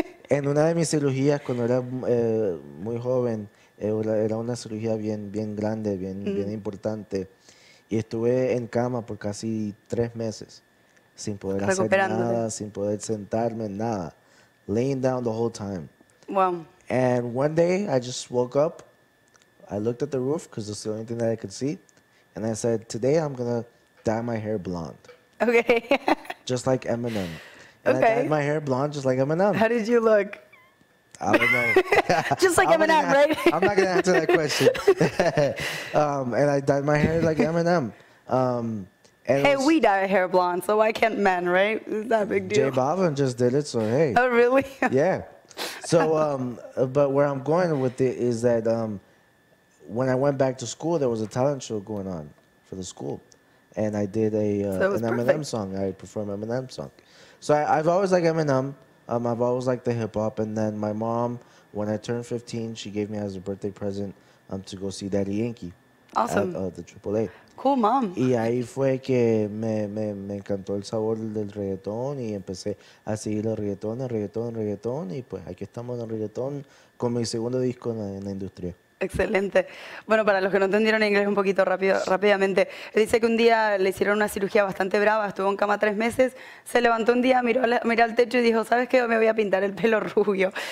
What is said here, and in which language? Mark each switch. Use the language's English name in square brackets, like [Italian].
[Spanish] En una de mis cirugías cuando era muy joven. Era una cirugía bien grande, bien importante. Y estuve en cama por casi 3 meses sin poder hacer nada, sin poder sentarme, nada. [English] Laying down the whole time. Wow. And one day I just woke up, I looked at the roof because it's the only thing that I could see. And I said, today I'm going to dye my hair blonde. Okay. Just like Eminem. And okay. I dyed my hair blonde just like Eminem. How did you look? I don't know. Just like Eminem, right? I'm not going to answer that question. And I dyed my hair like Eminem. We dye hair blonde, so why can't men, right? It's not a big deal. J Balvin just did it, so hey. Oh, really? Yeah. So, but where I'm going with it is that when I went back to school, there was a talent show going on for the school. And I did an Eminem song. I performed Eminem song. So I've always liked Eminem. I've always liked the hip hop, and then my mom, when I turned 15, she gave me as a birthday present to go see Daddy Yankee. Awesome. At the AAA. Cool, mom. [Spanish] Y ahí fue que me encantó el sabor del reggaetón y empecé a seguir el reggaetón, y pues aquí estamos en el reggaetón con mi segundo disco en la industria. Excelente. Bueno, para los que no entendieron inglés un poquito rápidamente, dice que un día le hicieron una cirugía bastante brava, estuvo en cama 3 meses, se levantó un día, miró al techo y dijo, ¿sabes qué? Me voy a pintar el pelo rubio.